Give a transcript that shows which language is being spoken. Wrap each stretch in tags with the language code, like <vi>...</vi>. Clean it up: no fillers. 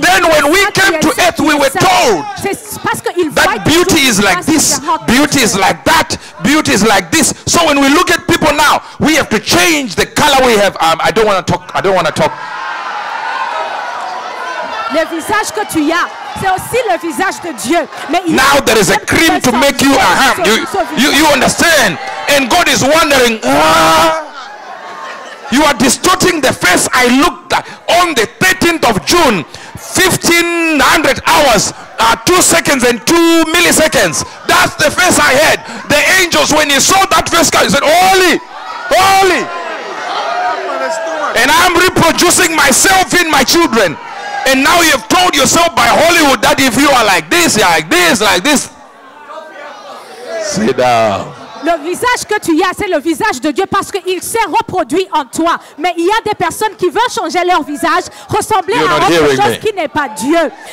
<en>then when we came to earth, we were told that beauty is like this, beauty is like that, beauty is like this. So when we look at people now, we have to change the color we have. I don't want to talk. I don't want to talk.</en> <fr>Le visage que tu as, c'est aussi le visage de Dieu.</fr> <en>Now there is a cream to make you a ham. You understand? And God is wondering. You are distorting the face I looked at on the 13th of June, 1500 hours, 2 seconds and 2 milliseconds. That's the face I had. The angels, when he saw that face, he said, holy, holy. And I'm reproducing myself in my children. And now you've told yourself by Hollywood that if you are like this, you're like this, like this. Sit down.</en> <fr>Le visage que tu as, c'est le visage de Dieu parce qu'il s'est reproduit en toi. Mais il y a des personnes qui veulent changer leur visage, ressembler à autre chose qui n'est pas Dieu.</fr>